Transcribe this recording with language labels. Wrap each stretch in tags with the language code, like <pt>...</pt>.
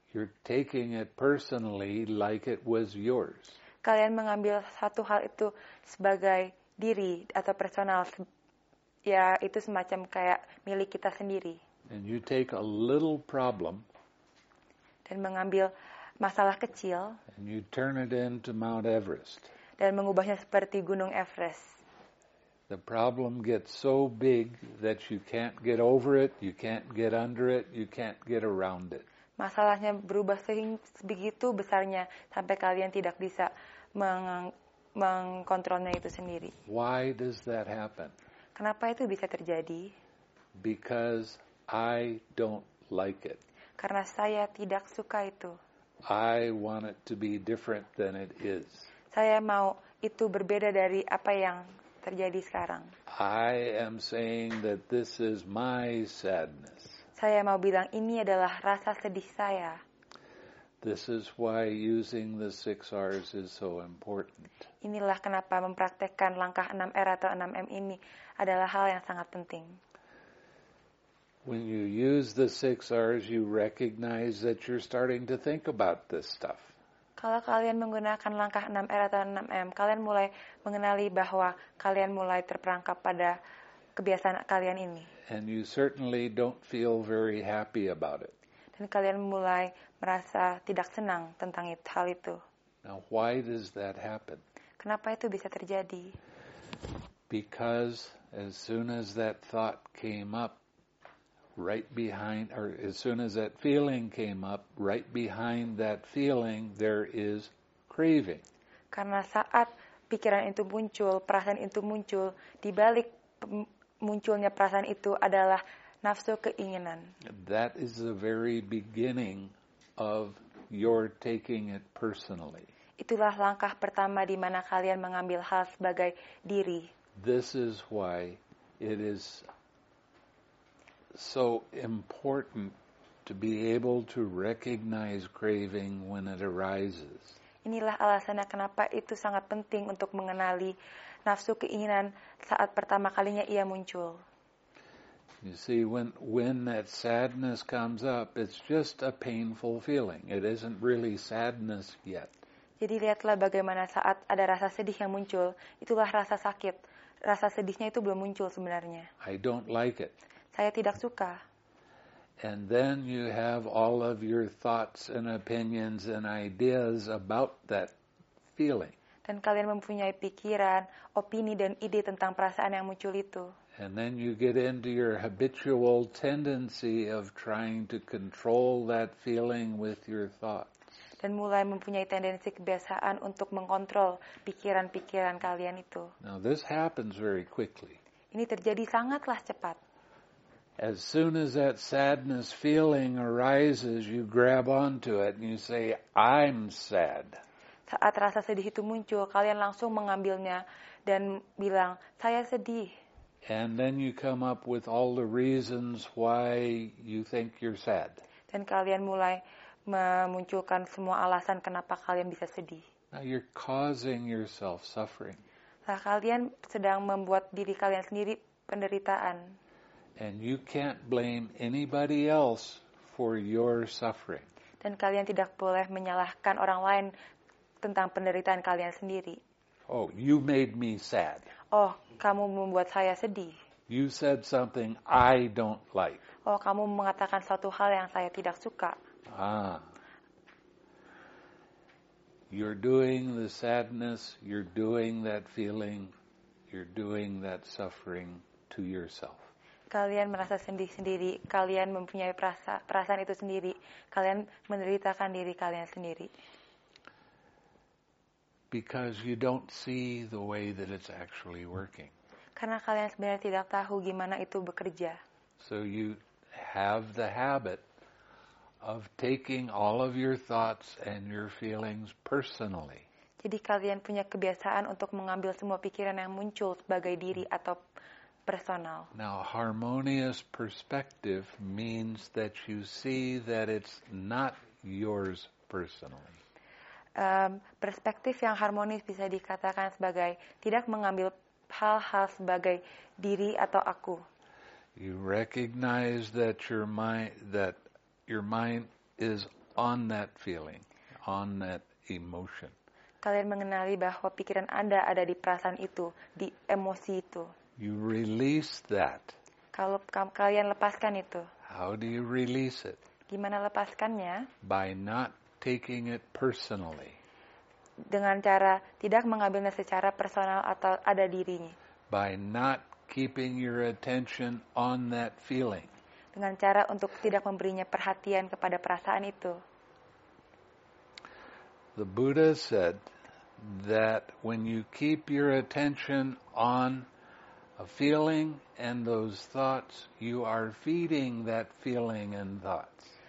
<en>you're taking it personally like it was yours.</en> <id>Kalian mengambil satu hal itu sebagai diri atau personal. Ya, itu semacam kayak milik kita sendiri.</id> <en>And you take a little problem.</en> <id>Dan mengambil masalah kecil.</id> <en>And you turn it into Mount Everest.</en> <id>Dan mengubahnya seperti Gunung Everest.</id> <en>The problem gets so big that you can't get over it, you can't get under it, you can't get around it.</en> <id>Masalahnya berubah sebegitu besarnya sampai kalian tidak bisa mengkontrolnya itu sendiri.</id> <en>Why does that happen?</en> <id>Kenapa itu bisa terjadi?</id> <en>Because I don't like it.</en> <id>Karena saya tidak suka itu.</id> <en>I want it to be different than it is.</en> <id>Saya mau itu berbeda dari apa yang terjadi sekarang.</id> <en>I am saying that this is my sadness.</en> <id>Saya mau bilang ini adalah rasa sedih saya.</id> <en>This is why using the 6 R's is so important.</en> <id>Inilah kenapa mempraktekkan langkah 6 R atau 6 M ini adalah hal yang sangat penting.</id> <en>When you use the 6 R's, you recognize that you're starting to think about this stuff.</en> <id>Kalau kalian menggunakan langkah 6 R atau 6 M, kalian mulai mengenali bahwa kalian mulai terperangkap pada kebiasaan kalian ini.</id> <en>And you certainly don't feel very happy about it.</en> <id>Dan kalian mulai merasa tidak senang tentang hal itu.</id> <en>Now, why does that happen?</en> <id>Kenapa itu bisa terjadi?</id> <en>Because as soon as that thought came up, right behind, or as soon as that feeling came up, right behind that feeling, there is craving.</en> <id>Karena saat pikiran itu muncul, perasaan itu muncul, di balik munculnya perasaan itu adalah nafsu keinginan.</id> <en>That is the very beginning of your taking it personally.</en> <id>Itulah langkah pertama di mana kalian mengambil hal sebagai diri.</id> <en>This is why it is so important to be able to recognize craving when it arises.</en> <id>Inilah alasannya kenapa itu sangat penting untuk mengenali nafsu keinginan saat pertama kalinya ia muncul.</id> <en>You see, when that sadness comes up, it's just a painful feeling. It isn't really sadness yet.</en> <id>Jadi lihatlah bagaimana saat ada rasa sedih yang muncul, itulah rasa sakit. Rasa sedihnya itu belum muncul sebenarnya.</id> <en>I don't like it.</en> <id>Saya tidak suka.</id> <en>And then you have all of your thoughts and opinions and ideas about that feeling.</en> <id>Dan kalian mempunyai pikiran, opini dan ide tentang perasaan yang muncul itu.</id> <en>And then you get into your habitual tendency of trying to control that feeling with your thoughts.</en> <id>Dan mulai mempunyai tendensi kebiasaan untuk mengontrol pikiran-pikiran kalian itu.</id> <en>Now this happens very quickly.</en> <id>Ini terjadi sangatlah cepat.</id> <en>As soon as that sadness feeling arises, you grab onto it and you say, "I'm sad."</en> <id>Saat rasa sedih itu muncul, kalian langsung mengambilnya dan bilang, "Saya sedih."</id> <en>And then you come up with all the reasons why you think you're sad.</en> <id>Dan kalian mulai memunculkan semua alasan kenapa kalian bisa sedih.</id> <en>Now you're causing yourself suffering.</en> <id>Nah, kalian sedang membuat diri kalian sendiri penderitaan.</id> <en>And you can't blame anybody else for your suffering.</en> <id>Dan kalian tidak boleh menyalahkan orang lain tentang penderitaan kalian sendiri.</id> <en>Oh, you made me sad.</en> <id>Oh, kamu membuat saya sedih.</id> <en>You said something I don't like.</en> <id>Oh, kamu mengatakan suatu hal yang saya tidak suka. Ah.</id> <en>You're doing the sadness, you're doing that feeling, you're doing that suffering to yourself.</en> <id>Kalian merasa sedih sendiri, kalian mempunyai perasaan itu sendiri, kalian menderitakan diri kalian sendiri.</id> <en>Because you don't see the way that it's actually working.</en> <id>Karena kalian sebenarnya tidak tahu gimana itu bekerja.</id> <en>So you have the habit of taking all of your thoughts and your feelings personally.</en> <id>Jadi kalian punya kebiasaan untuk mengambil semua pikiran yang muncul sebagai diri atau personal.</id> <en>Now, harmonious perspective means that you see that it's not yours personally.</en> <id>Perspektif yang harmonis bisa dikatakan sebagai tidak mengambil hal-hal sebagai diri atau aku.</id> <en>You recognize that your mind is on that feeling, on that emotion.</en> <id>Kalian mengenali bahwa pikiran Anda ada di perasaan itu, di emosi itu.</id> <en>You release that.</en> <id>Kalau kalian lepaskan itu.</id> <en>How do you release it?</en> <id>Gimana lepaskannya?</id> <en>By not taking it personally.</en> <id>Dengan cara tidak mengambilnya secara personal atau ada dirinya.</id> <en>By not keeping your attention on that feeling.</en> <id>Dengan cara untuk tidak memberinya perhatian kepada perasaan itu.</id> <en>The Buddha said that when you keep your attention on a feeling and those thoughts, you are feeding that feeling and thoughts.</en>